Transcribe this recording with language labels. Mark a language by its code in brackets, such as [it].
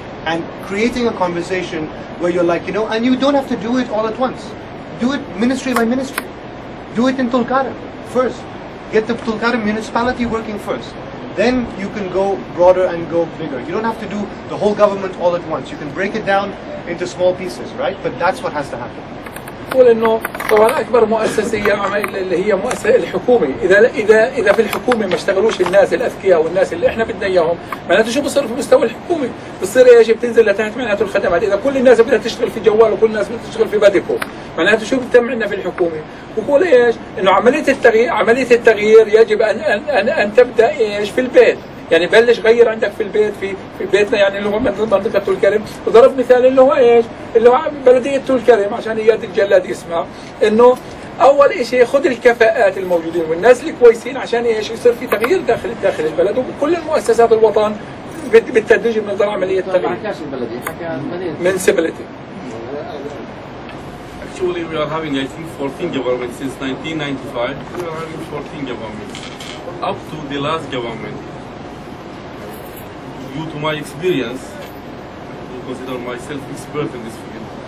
[en] And creating a conversation where you're like, you know, and you don't have to do it all at once. Do it ministry by ministry. Do it in Tulkarm first. Get the Tulkarm municipality working first. Then you can go broader and go bigger. You don't have to do the whole government all at once. You can break it down into small pieces, right? But that's what has to happen. [ar] يقول انه طبعا اكبر مؤسسه هي اللي هي مؤسسه الحكومه، اذا اذا اذا في الحكومه ما اشتغلوش الناس الاذكياء والناس اللي احنا بدنا اياهم، معناته شو بصير في مستوى الحكومه؟ بصير ايش؟ بتنزل لتحت معناته الخدمات، اذا كل الناس بدها تشتغل في جوال وكل الناس بدها تشتغل في باديكو، معناته شو بتم عندنا في الحكومه؟ بقول ايش؟ انه عمليه التغيير يجب ان ان ان, أن تبدا ايش؟ في البيت. يعني بلش غير عندك في البيت في بيتنا يعني اللي هو منطقة تولكرم وضرب مثال اللي هو ايش؟ اللي هو بلدية تولكرم عشان اياد الجلاد يسمع انه اول شيء خذ الكفاءات الموجودين والناس الكويسين عشان ايش؟ يصير في تغيير داخل البلد وكل المؤسسات الوطن بالتدريج بنظر عملية التغيير. حكاش البلدية؟ حكا مدينة منسبلتي. [en] Actually we are having I think 14 governments since 1995 we are having 14 governments up to the last government. Due to my experience, I consider myself expert in this field.